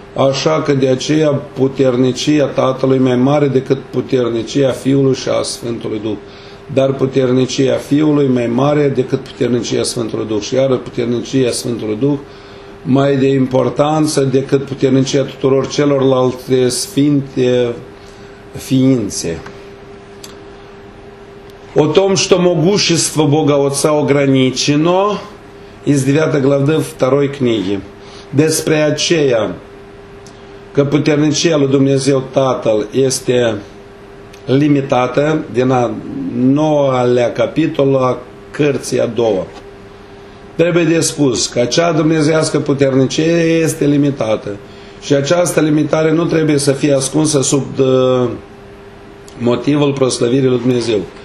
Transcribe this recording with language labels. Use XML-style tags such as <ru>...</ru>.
<ro>Așa că de aceea puternicia Tatălui mai mare decât puternicia Fiului și a Sfântului Duh. Dar puternicia Fiului mai mare decât puternicia Sfântului Duh. Și iară puternicia Sfântului Duh mai de importanță decât puternicia tuturor celorlalte sfinte ființe.</ro> <ru>O том, что могущество Бога Отца ограничено, из 9 главы 2 книги.</ru> <ro>Despre aceea că puternicia lui Dumnezeu Tatăl este limitată, din a 9-lea capitol a cărții a 2. Trebuie de spus că acea dumnezeiască puternicie este limitată și această limitare nu trebuie să fie ascunsă sub motivul proslăvirii lui Dumnezeu.</ro>